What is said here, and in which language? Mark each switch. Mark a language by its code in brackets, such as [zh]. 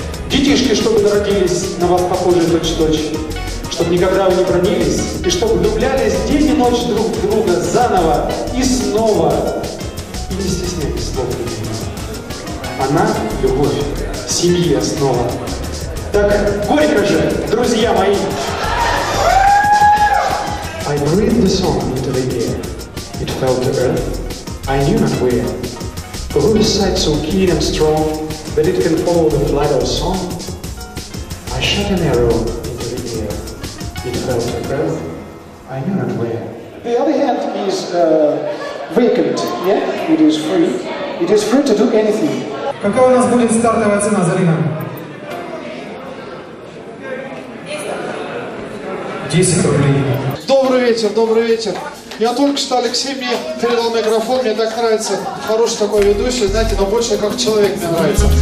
[ru] Детишки, чтобы народились на вас похожие точь-в-точь, чтоб никогда вы не бронились, и чтоб влюблялись день и ночь друг в друга заново и снова. И не стесняйтесь слов любви. Она, любовь, семьи основа. Так горько же, друзья мои! [en] I breathed the song into the air. It fell to earth. I knew not where. For whose sight so keen and strong that it can follow the flight of song? I shot an arrow into the air. It fell to earth. I knew not where. The other hand is vacant. Yeah, it is free. It is free to do anything. [ru] Какая у нас будет стартовая цена, Зарина? 10 рублей. Добрый вечер. Я только что Алексей мне передал микрофон, мне так нравится. Хороший такой ведущий, знаете, но больше как человек мне нравится.